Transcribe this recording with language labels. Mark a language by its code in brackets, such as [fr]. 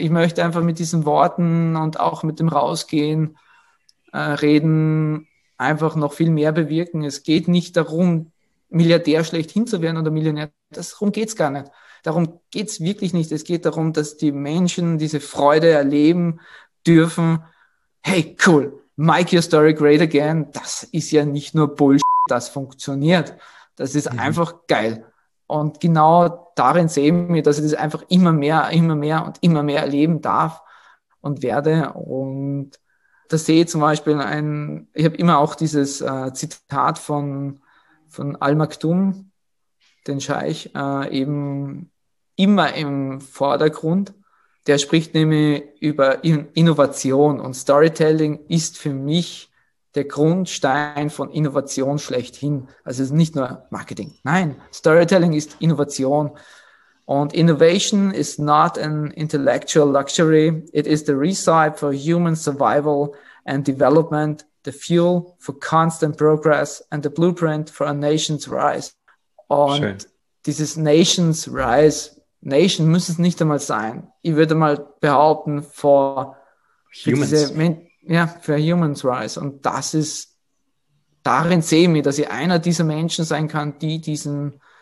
[de] Ich möchte einfach mit diesen Worten und auch mit dem Rausgehen reden, einfach noch viel mehr bewirken. Es geht nicht darum, Milliardär schlechthin zu werden oder Millionär. Darum geht's gar nicht. Darum geht's wirklich nicht. Es geht darum, dass die Menschen diese Freude erleben dürfen. [en] Hey, cool, make your story great again. [de] Das ist ja nicht nur Bullshit. Das funktioniert. Das ist einfach geil. Und genau darin sehen wir, dass ich das einfach immer mehr und immer mehr erleben darf und werde. Und da sehe ich zum Beispiel ich habe immer auch dieses Zitat von Al-Maktoum, den Scheich, eben immer im Vordergrund. Der spricht nämlich über Innovation und Storytelling ist für mich der Grundstein von Innovation schlechthin. Also es ist nicht nur Marketing. Nein, Storytelling ist Innovation. Und [en] Innovation is not an intellectual luxury. It is the recipe for human survival and development, the fuel for constant progress and the blueprint for a nation's rise. [de] Und dieses [en] Nation's rise, [de] Nation muss es nicht einmal sein. Ich würde mal behaupten, für [en] Humans Rise. [de] Und das ist, darin sehe ich mich, dass ich einer dieser Menschen sein kann, die diesen